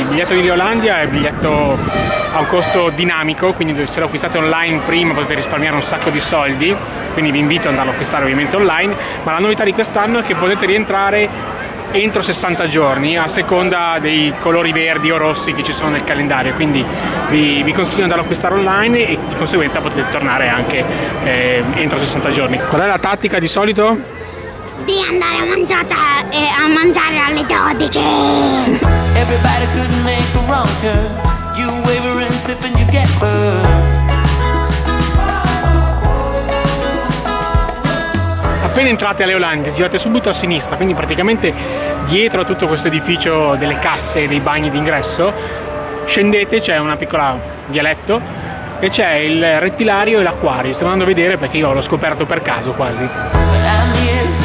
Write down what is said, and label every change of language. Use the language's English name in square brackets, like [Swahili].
[Italian] Il biglietto di Leolandia è un biglietto a un costo dinamico, quindi se lo acquistate online prima potete risparmiare un sacco di soldi, quindi vi invito ad andarlo a acquistare ovviamente online, ma la novità di quest'anno è che potete rientrare entro 60 giorni a seconda dei colori verdi o rossi che ci sono nel calendario, quindi vi consiglio di andarlo a acquistare online e di conseguenza potete tornare anche entro 60 giorni. Qual è la tattica di solito? Di andare a mangiare alle 12. [English] Everybody could make a wrong turn. You waver and slip and you get hurt. [Italian] Appena entrate alle Leolandia girate subito a sinistra, quindi praticamente dietro a tutto questo edificio delle casse e dei bagni d'ingresso scendete, c'è una piccola vialetto e c'è il rettilario e l'acquario. Sto andando a vedere perché io l'ho scoperto per caso quasi.